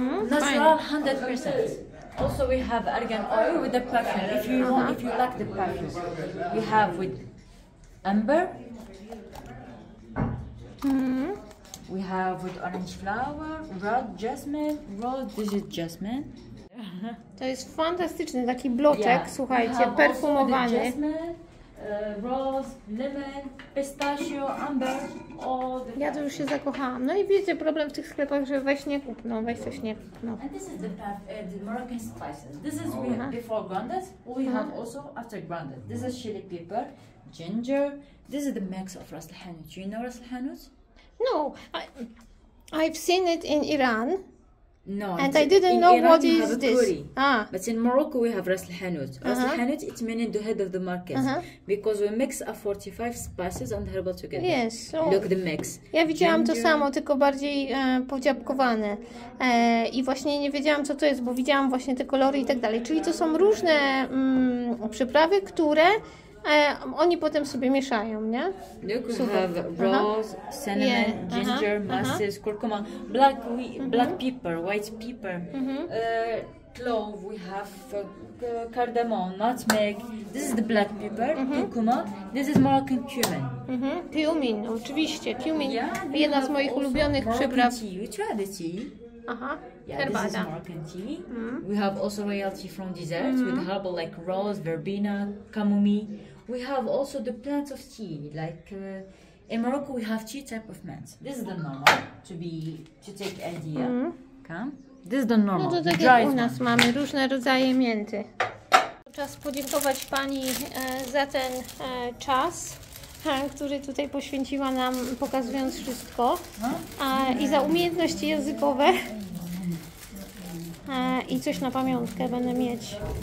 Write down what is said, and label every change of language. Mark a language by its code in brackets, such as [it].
[en] Natural 100%. Also, we have argan oil with the perfume. If you want, if you like the perfume, we have with amber. We have with orange flower, red jasmine, rose, this is jasmine. [pl] To jest fantastyczny taki bloczek, yeah. Słuchajcie, perfumowany. [en] Jasmine, rose, lemon, pistachio, amber, all the. [pl] Ja to już się zakochałam. No i wiecie, problem w tych sklepach, że weź nie kup, no weź coś nie. No. [en] And this is the Moroccan spices. This is before grounded. We have also after grounded. This is chili pepper, ginger. This is the mix of Ras El Hanout. You know Ras El Hanout? No, I've seen it in Iran. No, and I didn't know Iran what is this. But in Morocco we have Ras El Hanout. Ras El Hanout, it means the head of the market, because we mix a 45 spices and herbal together. Yes, so look the mix. [pl] Ja widziałam ginger. To samo, tylko bardziej podziapkowane. I właśnie nie wiedziałam, co to jest, bo widziałam właśnie te kolory i tak dalej. Czyli to są różne przyprawy, które. Oni potem sobie mieszają, nie? [en] Look, we have rose, cinnamon, ginger, masses, kurkuma, black pepper, white pepper, clove, we have cardamom, nutmeg, this is the black pepper, kurkuma, this is Moroccan cumin. [pl] Cumin, oczywiście, cumin, yeah, jedna z moich ulubionych przypraw. [en] Tea. You try the tea. Yeah, this is Moroccan tea. We have also royal tea from desserts with herbal like rose, verbena, chamomile. We have also the plants of tea. Like in Morocco, we have two type of plants. This is the normal to take a year. This is the normal. [pl] No to tak jak u nas mamy różne rodzaje mięty. Czas podziękować pani za ten czas, który tutaj poświęciła nam, pokazując wszystko, i za umiejętności językowe i coś na pamiątkę będę mieć.